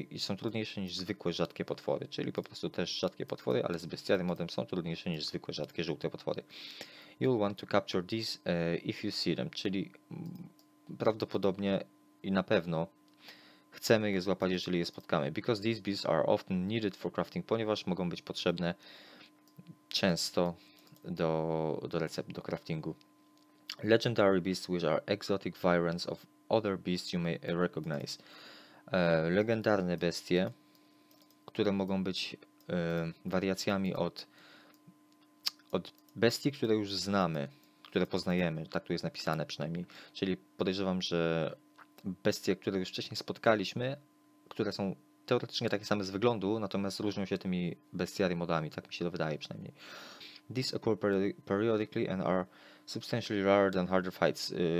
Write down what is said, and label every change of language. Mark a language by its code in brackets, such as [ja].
[pl] I są trudniejsze niż zwykłe rzadkie potwory. Czyli po prostu też rzadkie potwory, ale z Bestiary Modem są trudniejsze niż zwykłe rzadkie żółte potwory. [en] You'll want to capture these if you see them. [pl] Czyli prawdopodobnie i na pewno chcemy je złapać, jeżeli je spotkamy. [en] Because these beasts are often needed for crafting, [pl] ponieważ mogą być potrzebne często do recept, do craftingu. [en] Legendary beasts, which are exotic variants of other beasts you may recognize. [pl] Legendarne bestie, które mogą być wariacjami od bestii, które już znamy, które poznajemy, tak tu jest napisane przynajmniej. Czyli podejrzewam, że bestie, które już wcześniej spotkaliśmy, które są teoretycznie takie same z wyglądu, natomiast różnią się tymi bestiary modami, tak mi się to wydaje przynajmniej. [en] These occur periodically and are substantially rarer than harder fights.